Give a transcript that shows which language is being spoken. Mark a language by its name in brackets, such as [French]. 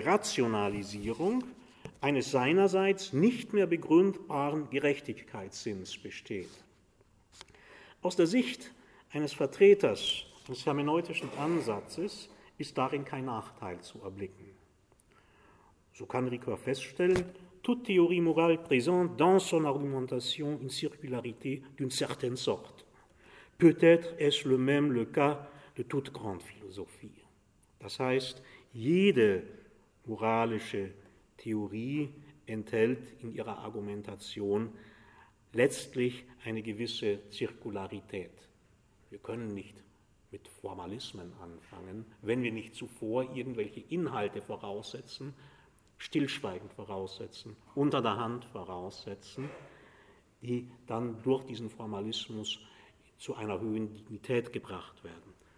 [German] Rationalisierung eines seinerseits nicht mehr begründbaren Gerechtigkeitssinns besteht. Aus der Sicht eines Vertreters des hermeneutischen Ansatzes ist darin kein Nachteil zu erblicken. So kann Ricoeur feststellen, [French] toute théorie morale présente dans son argumentation une circularité d'une certaine sorte. Peut-être est-ce le même le cas de toute grande philosophie. [German] Das heißt, jede moralische Theorie enthält in ihrer Argumentation letztlich eine gewisse Zirkularität. Wir können nicht mit Formalismen anfangen, wenn wir nicht zuvor irgendwelche Inhalte voraussetzen, stillschweigend voraussetzen, unter der Hand voraussetzen, die dann durch diesen Formalismus zu einer höheren Dignität gebracht werden.